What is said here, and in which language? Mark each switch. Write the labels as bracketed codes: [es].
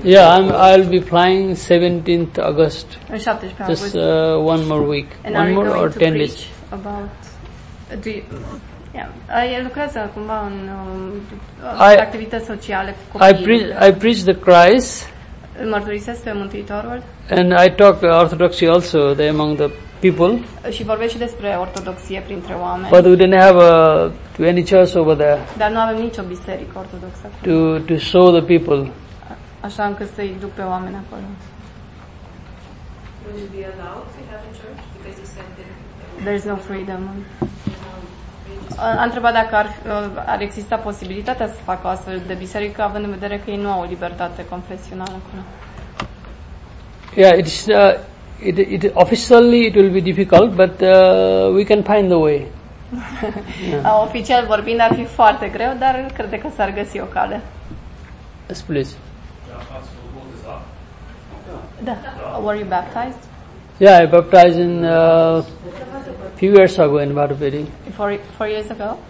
[en] Yeah, I'll be flying 17th August. Just one more week. And one more or 10 days? About I preach the Christ. [ro] Mărturisesc pe Mântuitorul. [en] And I talk Orthodoxy also there among the people. [ro] Și vorbesc și despre ortodoxie printre oameni. [en] But we didn't have any church over there. [ro] Dar nu avem nicio biserică ortodoxă acolo. [en] To show the people. [ro] Așa încât să-i duc pe oameni acolo. [en] Would you be allowed to have a church because you said there's no freedom. [ro] A întrebat dacă ar exista posibilitatea să facă o astfel de biserică, având în vedere că ei nu au o libertate confesională acolo. [en] Yeah, it officially it will be difficult, but we can find the way. Yeah. [ro] Oficial vorbind ar fi foarte greu, dar cred că s-ar găsi o cale. [en] Yes, please. [ro] Da. [en] Da. Were you baptized? Yeah, I baptized in few years ago in Barberi. Four years ago?